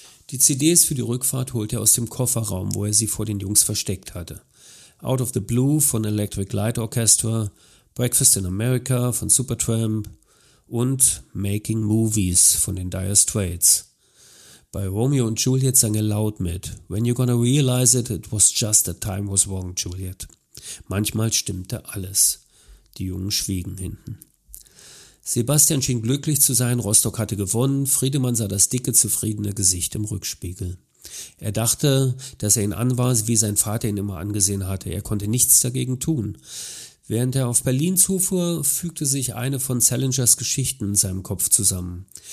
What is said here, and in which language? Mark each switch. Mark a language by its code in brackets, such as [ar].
[de] Die CDs für die Rückfahrt holte er aus dem Kofferraum, wo er sie vor den Jungs versteckt hatte. Out of the Blue von Electric Light Orchestra, Breakfast in America von Supertramp und Making Movies von den Dire Straits. Bei Romeo und Juliet sang er laut mit. [en] When you're gonna realize it, it was just that time was wrong, Juliet. [de] Manchmal stimmte alles. Die Jungen schwiegen hinten. Sebastian schien glücklich zu sein, Rostock hatte gewonnen, Friedemann sah das dicke, zufriedene Gesicht im Rückspiegel. Er dachte, dass er ihn anwas, wie sein Vater ihn immer angesehen hatte. Er konnte nichts dagegen tun. Während er auf Berlin zufuhr, fügte sich eine von Salingers Geschichten in seinem Kopf zusammen.